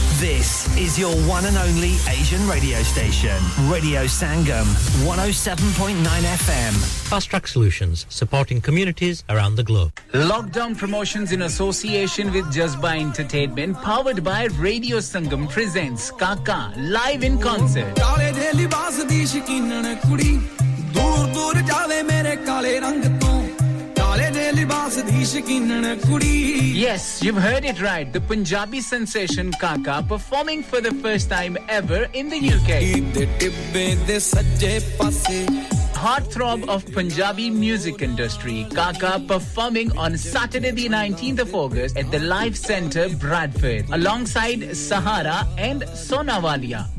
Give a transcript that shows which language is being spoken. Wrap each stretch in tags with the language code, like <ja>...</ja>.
<en>This is your one and only Asian radio station. Radio Sangam, 107.9 FM. Fast Track Solutions, supporting communities around the globe. Lockdown Promotions in association with Jazba Entertainment, powered by Radio Sangam, presents Kaka, live in concert.</en> <pa>ਦੂਰ ਦੂਰ ਜਾਵੇ ਮੇਰੇ ਕਾਲੇ ਰੰਗ ਤੋਂ ਕਾਲੇ ਦੇ ਲਿਬਾਸ ਦੀ ਸ਼ਕੀਨਣ ਕੁੜੀ</pa> <en>Yes, you've heard it right. The Punjabi sensation Kaka performing for the first time ever in the UK.</en> <pa>ਦੇ ਟਿੱਬੇ ਦੇ ਸੱਜੇ ਪਾਸੇ</pa> <en>Heartthrob of Punjabi music industry, Kaka performing on Saturday the 19th of August at the Life Centre, Bradford, alongside Sahara and Sonawalia.</en>